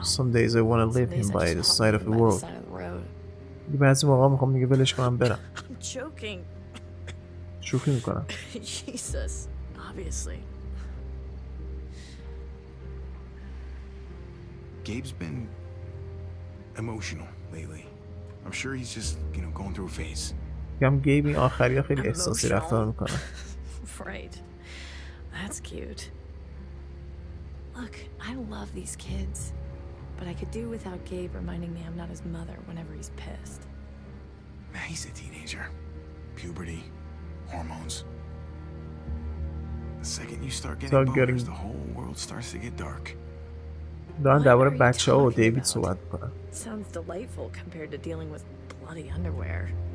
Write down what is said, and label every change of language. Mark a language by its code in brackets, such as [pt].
[en] Some days I want to leave him by the side of the world. [fa] بعضی موقعا میخوام دیگه ولش کنم برم. شوخی میکنم. [en] Jesus, obviously. Gabe's been emotional lately. I'm sure he's just, you know, going through a phase. [fa] یام گیبی آخریا خیلی احساسی رفتار میکنه. [en] Right. That's cute. Look, I love these kids, but I could do without Gabe reminding me I'm not his mother whenever he's pissed. He's a teenager. Puberty, hormones. The second you start getting boners, the whole world starts to get dark. [fa] دارن درباره بچه ها و دیوید صحبت میکنن. [en] Sounds delightful compared to dealing with bloody underwear.